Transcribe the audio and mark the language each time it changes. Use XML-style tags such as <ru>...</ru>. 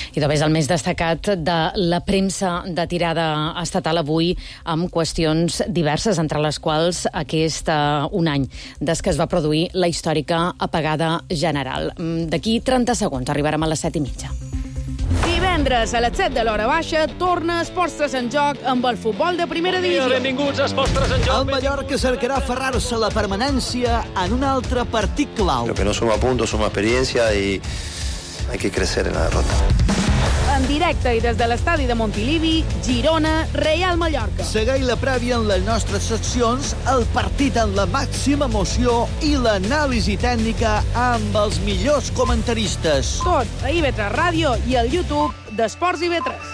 <ca>I també és el més destacat de la premsa de tirada estatal avui amb qüestions diverses, entre les quals aquest un any des que es va produir la històrica apagada general. D'aquí 30 segons arribarem a les 7 i mitja. Divendres a les 7 de l'hora baixa torna Esports 3 en Joc amb el futbol de primera divisió. Benvinguts a Esports 3 en Joc. El Mallorca cercarà aferrar-se a la permanència en un altre partit clau.</ca> <es>Creo que no suma puntos, suma experiencia y hay que crecer en la derrota.</es> <ca>En directe i des de l'estadi de Montilivi, Girona, Real Mallorca. Segueix la prèvia en les nostres seccions, el partit amb la màxima emoció i l'anàlisi tècnica amb els millors comentaristes. Tot a IB3 Ràdio i al YouTube d'Esports IB3.</ca>